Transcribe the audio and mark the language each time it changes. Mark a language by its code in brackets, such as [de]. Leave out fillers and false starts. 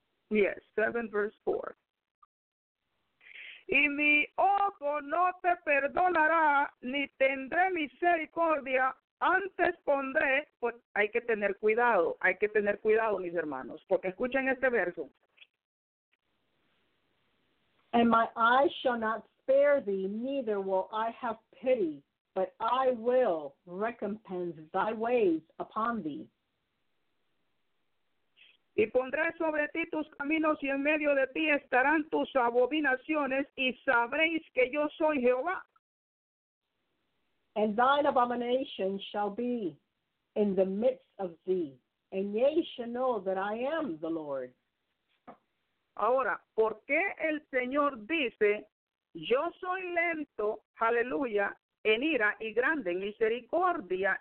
[en] Yes, 7, verse 4. [es] Y mi ojo no te perdonará, ni tendré misericordia, antes pondré, pues hay que tener cuidado, mis hermanos, porque escuchen este verso. [en] And my eyes shall not spare thee, neither will I have pity, but I will recompense thy ways upon thee. [es] Y pondré sobre ti tus caminos y en medio de ti estarán tus abominaciones y sabréis que yo soy Jehová. [en] And thine abomination shall be in the midst of thee, and ye shall know that I am the Lord. [es] Ahora, ¿por qué el Señor dice, yo soy lento, aleluya, en ira y grande en misericordia?